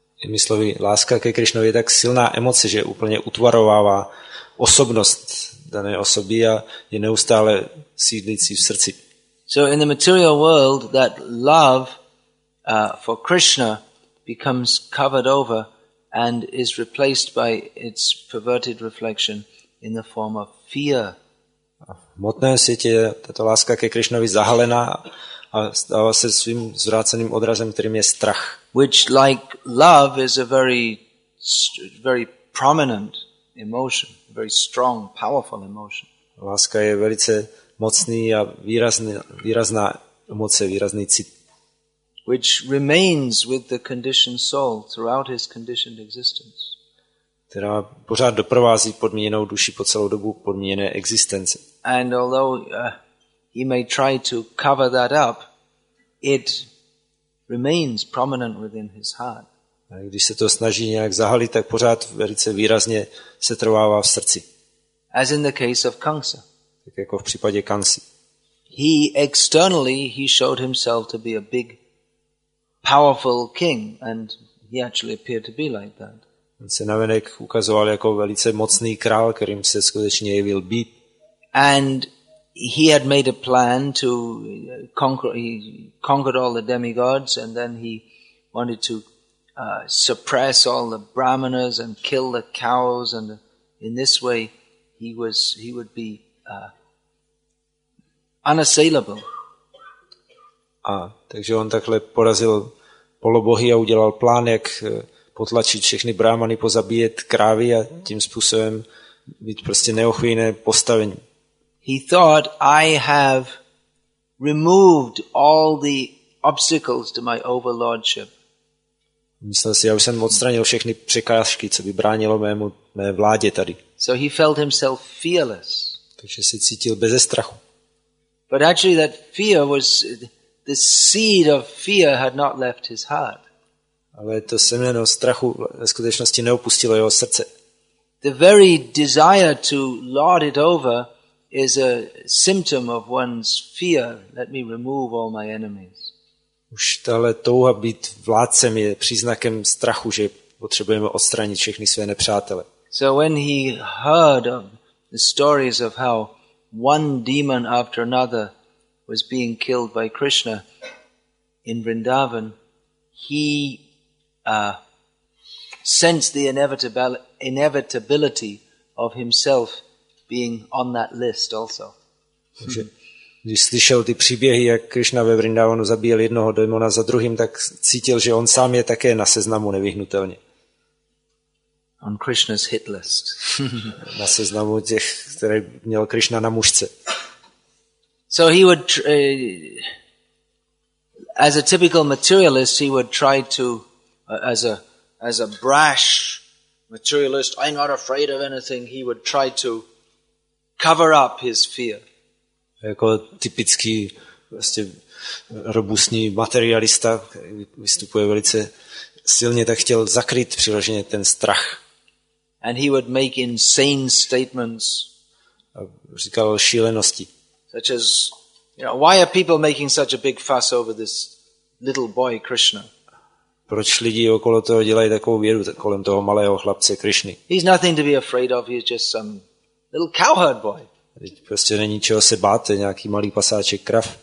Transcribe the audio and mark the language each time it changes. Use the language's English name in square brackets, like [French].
[Czech] Jinými slovy, láska ke Krišnovi je tak silná emoce, že úplně utvarovává osobnost dané osoby a je neustále sídlící v srdci. [English] So in the material world, that love for Krishna becomes covered over and is replaced by its perverted reflection in the form of fear. [Czech] V hmotném světě je tato láska ke Krišnovi zahalená a stává se svým zvráceným odrazem, kterým je strach. [English] Which, like love, is a very, very prominent emotion, a very strong, powerful emotion. [Czech] Láska je velice mocný a výrazná emoce, výrazný cit. [English] Which remains with the conditioned soul throughout his conditioned existence. [Czech] Která pořád doprovází podmíněnou duši po celou dobu podmíněné existence. [English] And although he may try to cover that up, it remains prominent within his heart. [Czech] A když se to snaží nějak zahalit, tak pořád velice výrazně se trvává v srdci. [English] As in the case of Kansa. [Czech] Tak jako v případě Kansy. [English] He externally he showed himself to be a big powerful king, and he actually appeared to be like that. [Czech] On se navenek ukazoval jako velice mocný král, kterým se skutečně jevil být. [English] And he had made a plan to conquer. He conquered all the demigods, and then he wanted to suppress all the brahmanas and kill the cows. And in this way, he would be unassailable. [Czech] A takže on takhle porazil polobohy a udělal plán, jak potlačit všechny brahmany, pozabíjet krávy a tím způsobem být prostě neochvějné postavení. [English] He thought, I have removed all the obstacles to my overlordship. [Czech] Myslel si, já už jsem odstranil všechny překážky, co by bránilo mé vládě tady. [English] So he felt himself fearless. [Czech] Takže se cítil beze strachu. [English] But actually that fear was the seed of fear had not left his heart. [Czech] Ale to semeno strachu ve skutečnosti neopustilo jeho srdce. [English] The very desire to lord it over is a symptom of one's fear. Let me remove all my enemies. [Czech] Už tahle touha být vládcem je příznakem strachu, že potřebujeme odstranit všechny své nepřátele. [English] So when he heard of the stories of how one demon after another was being killed by Krishna in Vrindavan, he sensed the inevitability of himself being on that list also. [Czech] Když slyšel ty příběhy, jak Krishna ve Vrindavanu zabíjel jednoho demona za druhým, tak cítil, že on sám je také na seznamu nevyhnutelně. [English] On Krishna's hit list. [Czech] Na seznamu těch, které měl Krishna na mušce. [English] So he would as a typical materialist, he would try to as a brash materialist, I'm not afraid of anything, he would try to cover up his fear. [Czech] Jako typický vlastně robustní materialista, který vystupuje velice silně, tak chtěl zakryt přirozeně ten strach. [English] And he would make insane statements. [Czech] A říkal šílenosti. [English] Such as, you know, why are people making such a big fuss over this little boy Krishna? [Czech] Proč lidi okolo toho dělají takovou vědu kolem toho malého chlapce Krishny? [English] He's nothing to be afraid of, he's just some little cowherd boy. [Czech] Prostě není čeho se bát, je nějaký malý pasáček krav.